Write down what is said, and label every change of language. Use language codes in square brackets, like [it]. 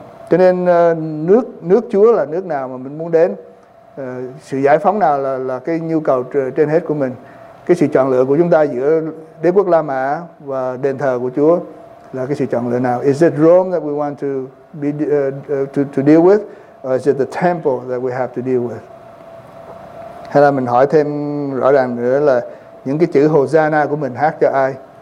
[vi] Cho nên nước Chúa là nước nào mà mình muốn đến, sự giải phóng nào là cái nhu cầu trên hết của mình. Cái sự chọn lựa của chúng ta giữa đế quốc La Mã và đền thờ của Chúa là cái sự chọn lựa nào? [en] Is it Rome that we want to be to deal with, or is it the temple that we have to deal with? [vi] Hay là mình hỏi thêm rõ ràng nữa là những cái chữ Hosanna của mình hát cho ai?